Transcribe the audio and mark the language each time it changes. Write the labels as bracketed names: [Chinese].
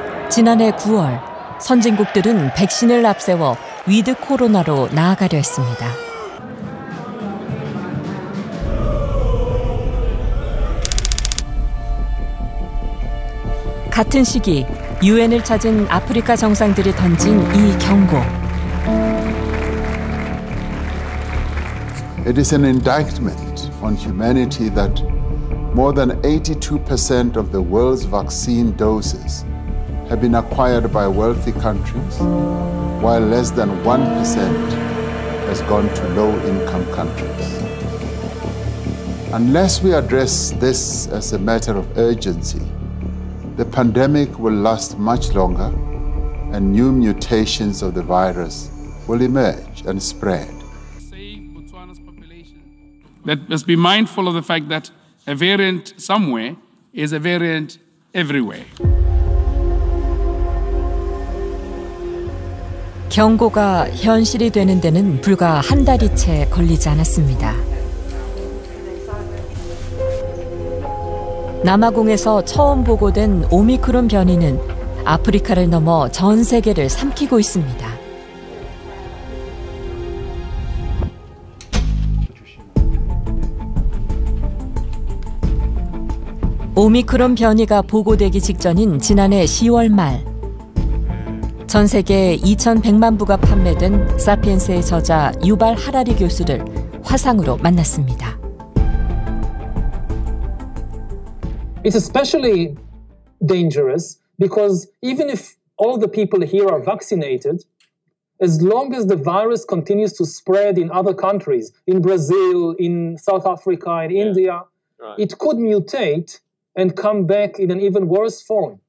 [Korean] 지난해 9월, 선진국들은 백신을 앞세워 위드 코로나로 나아가려 했습니다. 같은 시기, 유엔을 찾은 아프리카 정상들이 던진 이 경고. [English] It is an indictment on humanity that more than 82% of the world's vaccine doses have been acquired by wealthy countries, while less than 1% has gone to low-income countries. Unless we address this as a matter of urgency, the pandemic will last much longer, and new mutations of the virus will emerge and spread. Let's be mindful of the fact that a variant somewhere is a variant everywhere. [Korean] 경고가 현실이 되는 데는 불과 한 달이 채 걸리지 않았습니다. 남아공에서 처음 보고된 오미크론 변이는 아프리카를 넘어 전 세계를 삼키고 있습니다. 오미크론 변이가 보고되기 직전인 지난해 10월 말, 전 세계 2,100만 부가 판매된 사피엔스의 저자 유발 하라리 교수를 화상으로 만났습니다. [English] It's especially dangerous because even if all the people here are vaccinated, as long as the virus continues to spread in other countries, in Brazil, in South Africa, in India, it could mutate and come back in an even worse form.